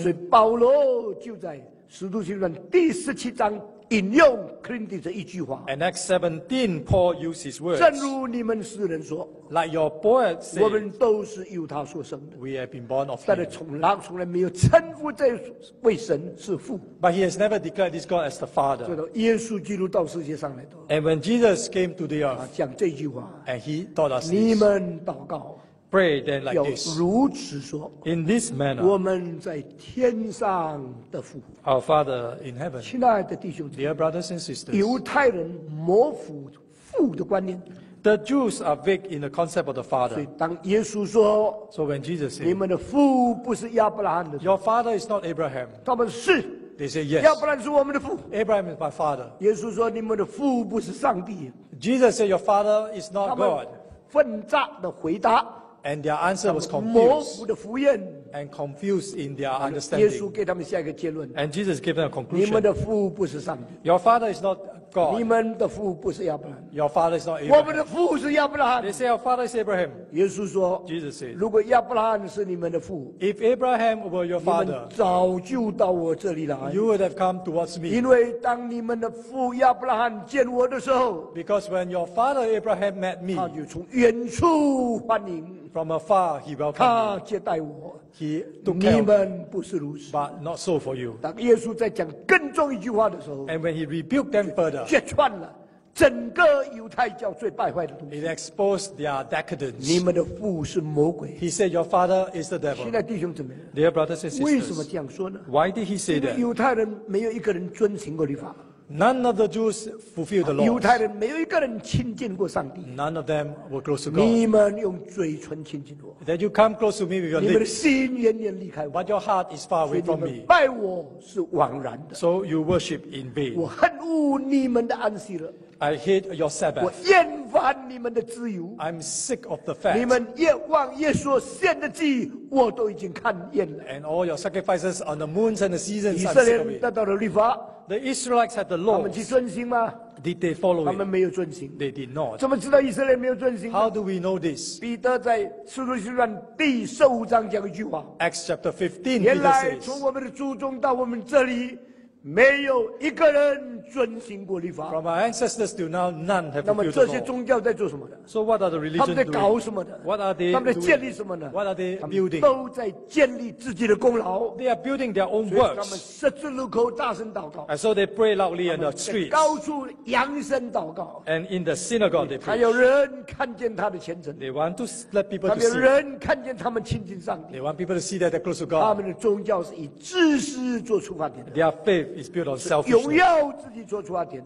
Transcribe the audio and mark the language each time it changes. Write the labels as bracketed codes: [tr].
[zh] 所以保罗就在使徒行传第十七章引用 Clintus 的一句话 [en] And Acts 17 Paul used his words [zh] 正如你们诗人说 [en] Like your poet says [zh] 我们都是由他所生的 [en] We have been born of him [zh] 但是从来没有称呼这位神是父 [en] But he has never declared this God as the father [zh] 所以耶稣基督到世界上来的 [en] And when Jesus came to the earth [zh] 讲这句话 [en] And he taught us this [zh] 你们祷告 [en] Pray then like this [zh] 要如此说 [en] In this manner [zh] 我们在天上的父 [en] Our Father in heaven, [zh] 亲爱的弟兄姐妹 [en] dear brothers and sisters, [zh] 犹太人模糊父的观念 [en] the Jews are vague in the concept of the Father. [zh] 所以当耶稣说 [en] so when Jesus said, [zh] 你们的父不是亚伯拉罕的 [en] your Father is not Abraham. [zh] 他们是 [en] they say yes. [zh] 亚伯拉罕是我们的父 [en] Abraham is my Father. [zh] 耶稣说你们的父不是上帝 [en] Jesus said your Father is not God. [zh] 他们分杂的回答 [en] and their answer was confused. And confused in their understanding. [zh] 耶稣给他们下一个结论。 [en] And Jesus gave them a conclusion. [zh] 你们的父不是上帝。 [en] Your father is not God. [zh] 你们的父不是亚伯拉罕。 [en] Your father is not Abraham. [zh] 我们的父是亚伯拉罕。 [en] They say our father is Abraham. [zh] 耶稣说。 [en] Jesus said. [zh] 如果亚伯拉罕是你们的父。 [en] If Abraham were your father. [zh] 你们早就到我这里来。 [en] You would have come towards me. [zh] 因为当你们的父亚伯拉罕见我的时候。 [en] Because when your father Abraham met me. [zh] 他就从远处欢迎。 [en] From afar, he welcomed. [zh] 他接待我。 [en] He took care of me. [zh] 你们不是如此。 [en] But not so for you. [zh] 当耶稣在讲更重一句话的时候。 [en] And when he rebuked them further. [zh] 揭穿了整个犹太教最败坏的东西。 [en] It exposed their decadence. [zh] 你们的父是魔鬼。 [en] He said, "Your father is the devil." [zh] 现在弟兄姊妹。 [en] Dear brothers and sisters. [zh] 为什么这样说呢 [en] ？Why did he say that? [zh] 因为犹太人没有一个人遵行过律法。 [en] None of the Jews fulfilled the law. [zh] 犹太人没有一个人亲近过上帝。 [en] None of them were close to God. [zh] 你们用嘴唇亲近我。 [en] That you come close to me with your lips. [zh] 你们的心远远离开我。 [en] But your heart is far away from me. [zh] 所以你们拜我是枉然的。 [en] So you worship in vain. [zh] 我恨恶你们的安息日。 [en] I hate your Sabbath. [zh] 我厌烦你们的自由。 [en] I'm sick of the fact. [zh] 你们越望越说献的祭，我都已经看厌了。 [en] And all your sacrifices on the moons and the seasons. [zh] 以色列得到了律法。 [en] The Israelites had the law. [zh] 他们去遵行吗 [en] ？Did they follow it? [zh] 他们没有遵行。 [en] They did not. [zh] 怎么知道以色列没有遵行 [en] ？How do we know this? [zh] 彼得在使徒行传第十五章讲一句话。 [en] Acts chapter 15. [zh] 原来从我们的祖宗到我们这里，没有一个人遵行过律法。 [en] From our ancestors till now, none have fulfilled the law. [zh] 那么这些宗教在做什么的 [en] ？So what are the religions doing? [zh] 他们在搞什么的 [en] ？What are they? [zh] 他们在建立什么呢 [en] ？What are they building? [zh] 都在建立自己的功劳。 [en] They are building their own works. [zh] 所以他们十字路口大声祷告。 [en] And so they pray loudly in the streets. [zh] 高处扬声祷告。 [en] And in the synagogue they preach. [zh] 他要人看见他的虔诚。 [en] They want to let people see. [zh] 他们要人看见他们亲近上帝。 [en] They want people to see that they're close to God. [zh] 他们的宗教是以知识做出发点的。 [en] Their faith is built on selfishness.